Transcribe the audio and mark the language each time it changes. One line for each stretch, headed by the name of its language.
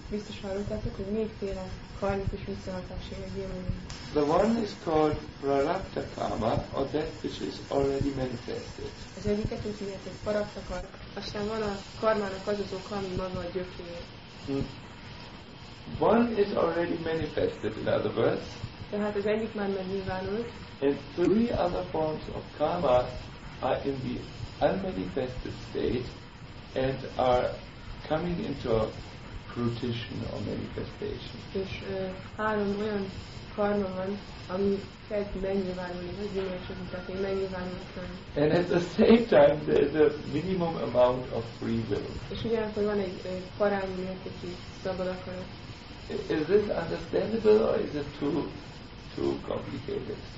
Hungarian: Biztos hallottátok, hogy négyféle karmikus visszahatás él egy élőben.
English: The one is called prarabdha karma, or that which is already manifested.
Hungarian: Az egyiket úgy hívják, hogy prarabdha karma. Aztán van a karmának az az oka, ami maga a gyökér.
English: One is already manifested, in other words.
Hungarian: Tehát az egyik már megnyilvánult.
English: And three other forms of karma are in the unmanifested state and are coming into a fruition or manifestation.
Hungarian: És három olyan karma van, ami kezd megnyilvánulni, az gyümölcsök mutatni, megnyilvánulni.
English: And at the same time, there is a minimum amount of free will.
Hungarian: És ugyanakkor van egy parányi mértékű szabad akarat.
English: Is this understandable or is it too complicated?